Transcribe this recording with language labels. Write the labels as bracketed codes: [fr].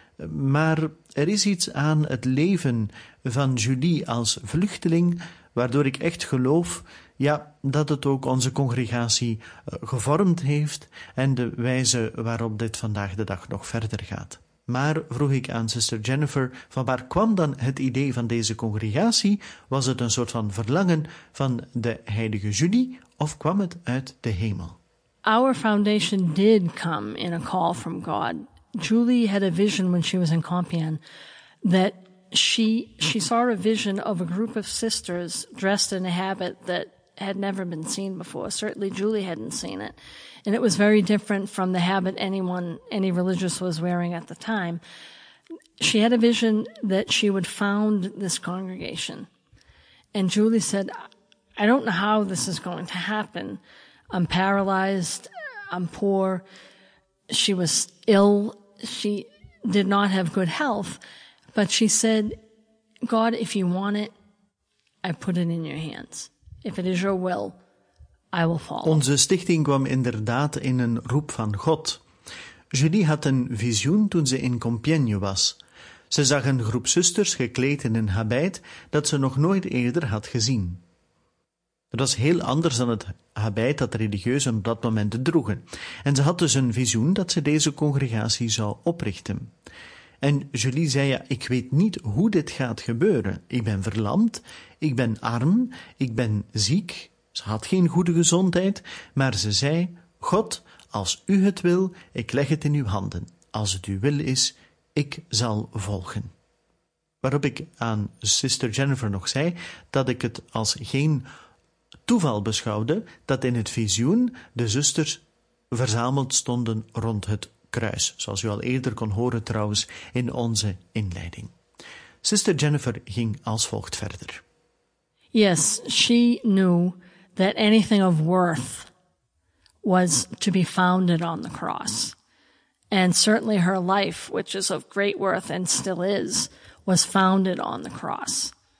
[nl] Maar er is iets aan het leven van Julie als vluchteling, waardoor ik echt geloof, ja, dat het ook onze congregatie gevormd heeft en de wijze waarop dit vandaag de dag nog verder gaat. Maar vroeg ik aan zuster Jennifer, van waar kwam dan het idee van deze congregatie? Was het een soort van verlangen van de heilige Julie of kwam het uit de hemel? [en] Our foundation did come in a call from God. Julie had a vision when she was in Compiègne that she saw a vision of a group of sisters dressed in a habit that had never been seen before. Certainly Julie hadn't seen it. And it was very different from the habit any religious was wearing at the time. She had a vision that she would found this congregation. And Julie said, I don't know how this is going to happen. I'm paralyzed. I'm poor. She was ill. She did not have good health, but she said, God, if you want it, I put it in your hands. If it is your will, I will follow. [nl] Onze stichting kwam inderdaad in een roep van God. Julie had een visioen toen ze in Compiègne was. Ze zag een groep zusters gekleed in een habit dat ze nog nooit eerder had gezien. Het was heel anders dan het habit dat religieuzen op dat moment droegen. En ze had dus een visioen dat ze deze congregatie zou oprichten. En Julie zei, ja, ik weet niet hoe dit gaat gebeuren. Ik ben verlamd, ik ben arm, ik ben ziek. Ze had geen goede gezondheid, maar ze zei, God, als u het wil, ik leg het in uw handen. Als het uw wil is, ik zal volgen. Waarop ik aan zuster Jennifer nog zei dat ik het als geen toeval beschouwde dat in het visioen de zusters verzameld stonden rond het kruis, zoals u al eerder kon horen trouwens in onze inleiding. Zuster Jennifer ging als volgt verder. [en] Yes, she knew that anything of worth was to be founded on the cross. And certainly her life, which is of great worth and still is, was founded on the cross.